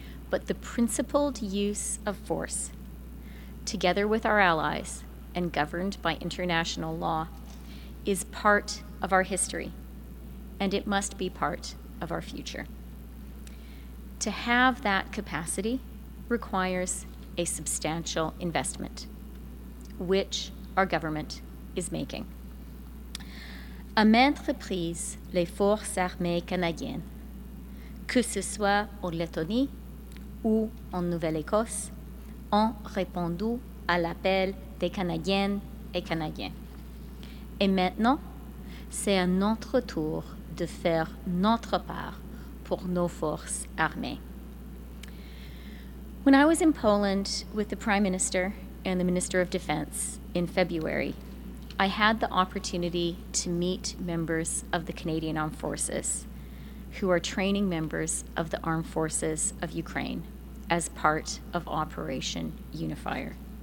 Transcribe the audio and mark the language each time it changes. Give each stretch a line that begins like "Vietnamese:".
English: But the principled use of force, together with our allies and governed by international law, is part of our history, and it must be part of our future. To have that capacity requires a substantial investment, which our government is making.
French: À maintes reprises, les forces armées canadiennes, que ce soit en Lettonie ou en Nouvelle-Écosse, ont répondu à l'appel des Canadiennes et Canadiens. Et maintenant, c'est à notre tour de faire notre part pour nos forces armées.
English: When I was in Poland with the Prime Minister and the Minister of Defense in February, I had the opportunity to meet members of the Canadian Armed Forces who are training members of the Armed Forces of Ukraine as part of Operation Unifier.